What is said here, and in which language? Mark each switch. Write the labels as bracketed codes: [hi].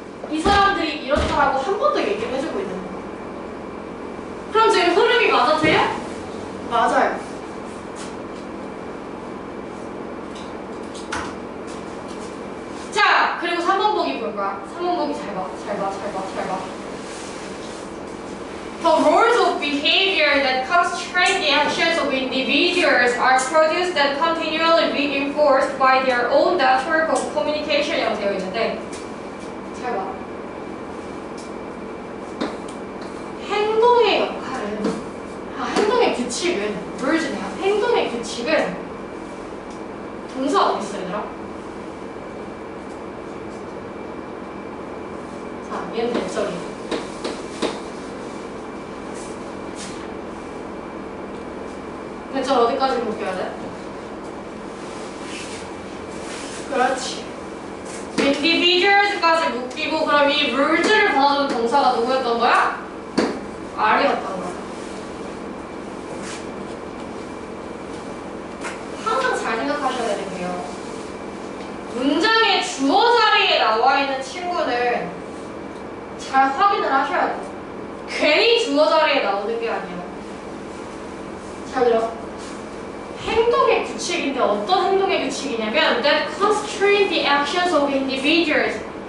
[ko] 이 사람들이 이렇다라고 한 번 더 얘기를 해주고 있는 거야. 그럼 지금 흐름이 맞아 돼요? 맞아요. 자, 그리고 3번 보기 볼까? 3번 보기 잘 봐, 잘 봐, 잘 봐, 잘 봐. [en] The roles of behavior that constrain the actions of individuals are produced and continually reinforced by their own network of communication. [ko] 이라고 되어 있는데, 잘 봐. 행동의 역할은, 아, 행동의 규칙은, 룰즈네요. 행동의 규칙은, 동사 어딨어, 얘들아? 자, 얘는 대절이. 대체 어디까지 묶여야 돼? 그렇지. [en] Individuals [ko] 까지 묶이고 그럼 이 rules를 받아준 동사가 누구였던 거야? R이었던 거야. 항상 잘 생각하셔야 되는 게요. 문장의 주어 자리에 나와 있는 친구는 잘 확인을 하셔야 돼. 괜히 주어 자리에 나오는 게 아니야. 잘 들어. 행동의 규칙인데 어떤 행동의 규칙이냐면 [en] that constrain the actions of individuals.